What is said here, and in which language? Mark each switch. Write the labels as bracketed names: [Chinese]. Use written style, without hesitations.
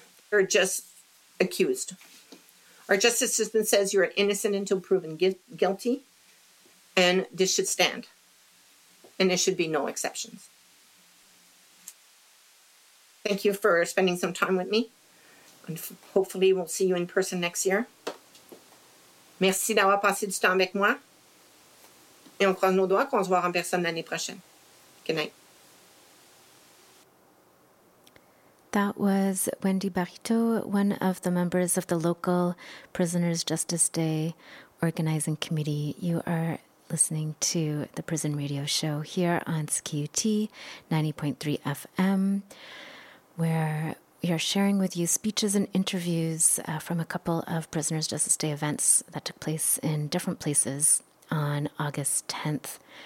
[English] They're just accused. Our justice system says you're innocent until proven guilty, and this should stand. And there should be no exceptions. Thank you for spending some time with me. And hopefully we'll see you in person next year. [French] Merci d'avoir passé du temps avec moi. Et on croise nos doigts qu'on se voit en personne l'année prochaine. [English] Good night. That was Wendy Barreto, one of the members of the local Prisoners Justice Day organizing committee. You are listening to the Prison Radio Show here on CQT 90.3 FM, where we are sharing with you speeches and interviews from a couple of Prisoners Justice Day events that took place in different places on August 10th.